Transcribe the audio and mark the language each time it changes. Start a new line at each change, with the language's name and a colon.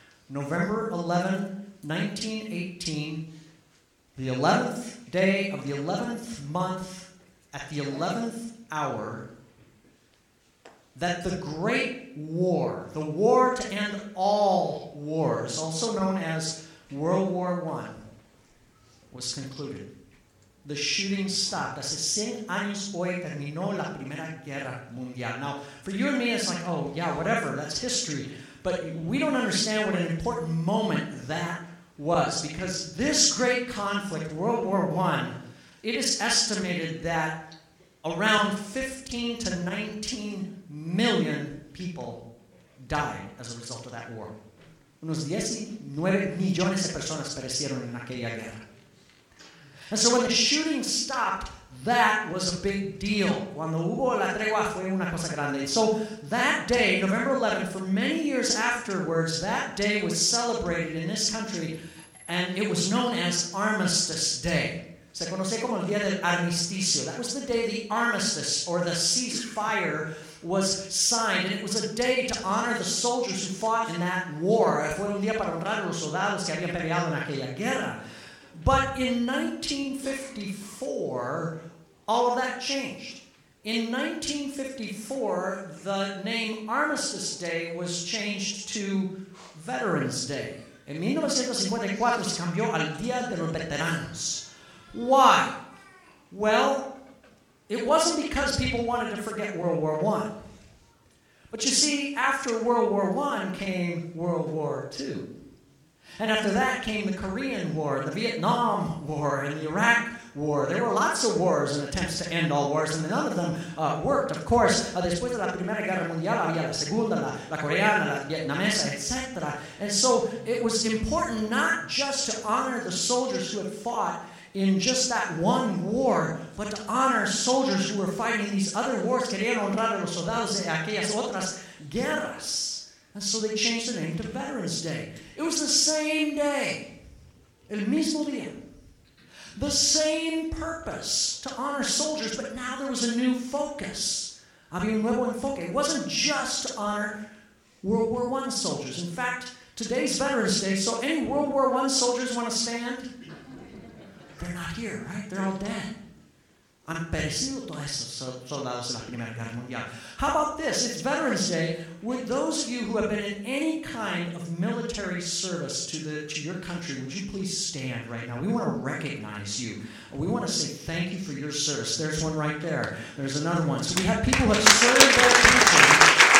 English: November 11, 1918, the 11th day of the 11th month at the 11th hour, that the Great War, the war to end all wars, also known as World War I, was concluded. The shooting stopped.
Spanish: Hace 100 años hoy terminó la Primera Guerra Mundial.
English: Now, for you and me, it's like, oh, yeah, whatever, that's history. But we don't understand what an important moment that was, because this great conflict, World War I, it is estimated that around 15 to 19 million people died as a result of that war.
Spanish: Unos 19 millones de personas perecieron en aquella guerra.
English: And so when the shooting stopped, that was a big deal.
Spanish: Cuando hubo la tregua fue una cosa grande.
English: So that day, November 11, for many years afterwards, that day was celebrated in this country, and it was known as Armistice Day.
Spanish: Se conoce como el día del armisticio.
English: That was the day the armistice, or the ceasefire, was signed. And it was a day to honor the soldiers who fought in that war.
Spanish: Fue un día para honrar a los soldados que habían peleado en aquella guerra.
English: But in 1954, all of that changed. In 1954, the name Armistice Day was changed to Veterans Day.
Spanish: En 1954, se cambió al Día de los Veteranos.
English: Why? Well, it wasn't because people wanted to forget World War I. But you see, after World War I came World War II. And after that came the Korean War, the Vietnam War, and the Iraq war. There were lots of wars and attempts to end all wars, and none of them worked. Of course,
Spanish: después de la Primera Guerra Mundial había la Segunda, la Coreana, la Vietnamesa, etc.
English: And so it was important not just to honor the soldiers who had fought in just that one war, but to honor soldiers who were fighting these other wars.
Spanish: Querían honrar a los soldados de aquellas otras guerras.
English: And so they changed the name to Veterans Day. It was the same day.
Spanish: El mismo día.
English: The same purpose, to honor soldiers, but now there was a new focus.
Spanish: Había un nuevo enfoque.
English: It wasn't just to honor World War I soldiers. In fact, today's Veterans Day, so any World War I soldiers want to stand? They're not here, right? They're all dead.
Spanish: Han perecido todos esos soldados de la Primera Guerra Mundial.
English: How about this? It's Veterans Day. Would those of you who have been in any kind of military service to your country, would you please stand right now? We want to recognize you. We want to say thank you for your service. There's one right there. There's another one. So we have people who have served their country.